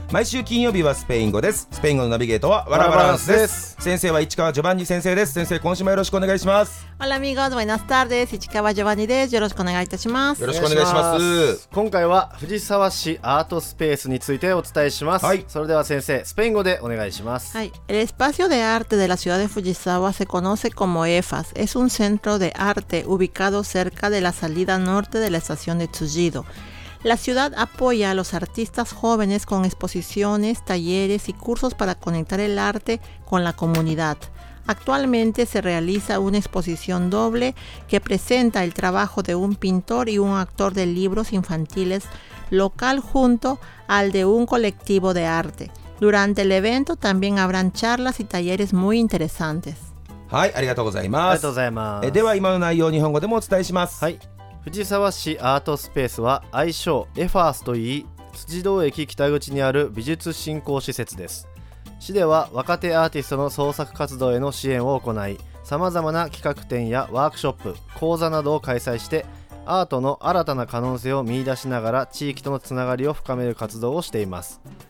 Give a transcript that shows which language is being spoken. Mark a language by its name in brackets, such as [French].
[Japanese] 毎週金曜日はスペイン語です。スペイン語のナビゲートはワラバランスです。先生は市川ジョバンニ先生です。先生今週もよろしくお願いします。ホラミゴーズバイナスタールです。市川ジョバンニです。よろしくお願いいたします。よろしくお願いします。今回は藤沢市アートスペースについてお伝えします、はい、それでは先生スペイン語でお願いします。はい。 [Spanish] El espacio de arte de la ciudad de Fujisawa se conoce como EFAS. Es un centro de arte ubicado cerca de la salida norte de la estación de Tsujido. La ciudad apoya a los artistas jóvenes con exposiciones, talleres y cursos para conectar el arte con la comunidad. Actualmente se realiza una exposición doble que presenta el trabajo de un pintor y un actor de libros infantiles local junto al de un colectivo de arte. Durante el evento también habrán charlas y talleres muy interesantes. [Japanese] はい、ありがとうございます。ありがとうございます。では今の内容を日本語でもお伝えします。はい。藤沢市アートスペースは愛称エファースといい、辻堂駅北口にある美術振興施設です。市では若手アーティストの創作活動への支援を行い、さまざまな企画展やワークショップ、講座などを開催して、アートの新たな可能性を見出しながら地域とのつながりを深める活動をしています。